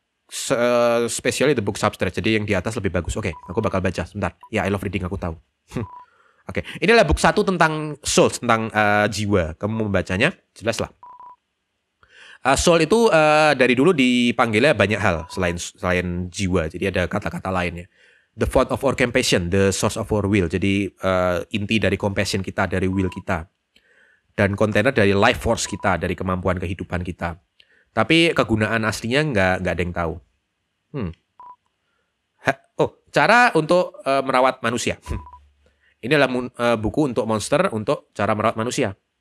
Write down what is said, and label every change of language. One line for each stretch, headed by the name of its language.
English: especially the book substrate.
Indonesian: Jadi yang di atas lebih bagus. Oke, aku bakal baca sebentar. Ya, yeah,
English: I love reading,
Indonesian: aku tahu. Oke, okay. Ini adalah book 1 tentang soul, tentang jiwa. Kamu membacanya, jelas lah. Soul itu dari dulu dipanggilnya banyak hal selain jiwa. Jadi ada kata-kata lainnya.
English: The font of our compassion, the source of our will.
Indonesian: Jadi inti dari compassion kita, dari will kita. Dan kontainer dari life force kita, dari kemampuan kehidupan kita. Tapi kegunaan aslinya nggak ada yang tahu. Cara untuk merawat manusia. Ini adalah buku untuk monster, untuk cara merawat manusia.